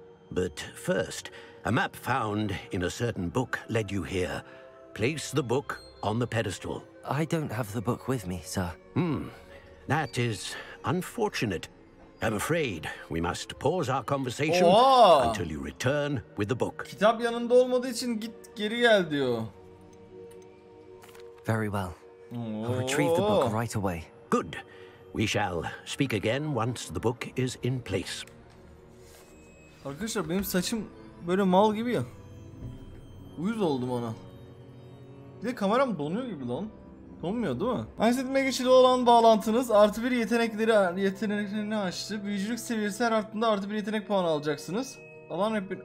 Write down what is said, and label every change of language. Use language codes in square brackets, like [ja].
[en] But first, a map found in a certain book led you here. Place the book on the pedestal. I don't have the book with me, sir. That is unfortunate. I'm afraid we must pause our conversation until you return with the book. [tr] Kitap yanında olmadığı için git geri gel diyor. [en] Very well. I'll retrieve the book right away. Good. We shall speak again once the book is in place. [tr] Arkadaşlar benim saçım böyle mal gibi ya. Uyuz oldum ona. Bir de kameram donuyor gibi lan. Donmuyor değil mi? Einstein Magic'le olan bağlantınız artı bir yeteneklerini açtı. Büyücülük seviyesi her arttığında artı bir yetenek puanı alacaksınız. Alan rapin...